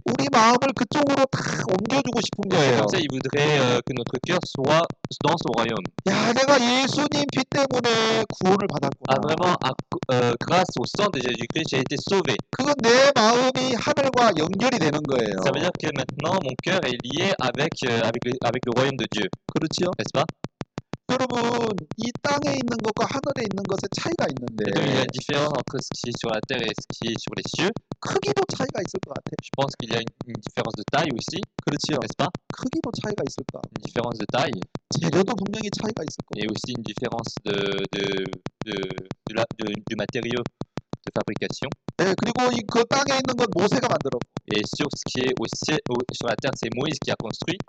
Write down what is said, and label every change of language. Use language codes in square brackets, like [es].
[ko] 우리 마음을 그쪽으로 다 옮겨주고 싶은 거예요. [fr] Comme ça, il voudrait que notre cœur soit dans son royaume. [ko] 야, 내가 예수님 피 때문에 구원을 받았구나. [fr] Ah, vraiment, grâce au sang de Jésus-Christ, j'ai été sauvé. [ko] 그건 내 마음이 하늘과 연결이 되는 거예요. [fr] Ça veut dire que maintenant mon cœur est lié avec le royaume de Dieu. [ko] 그렇지요? 됐어? 여러분, 이 땅에 있는 것과 하늘에 있는 것에 차이가 있는데. [fr] Et donc, il y a une différence entre ce qui est sur la terre et ce qui est sur les cieux. [ko] 크기도 차이가 있을 것 같아. [fr] Je pense qu'il y a une différence de taille aussi. [ko] 그렇지요? 됐어? 크기도 차이가 있을 것 같아. [fr] Une différence de taille. [ko] 재료도 분명히 차이가 있을 것 같아. [fr] Et aussi une différence de matériau. De fabrication. [ko] 네, 그리고 이, 그 땅에 있는 건 모세가 만들었고. [fr] Et sur ce qui est au ciel, sur la terre, c'est Moïse qui a construit.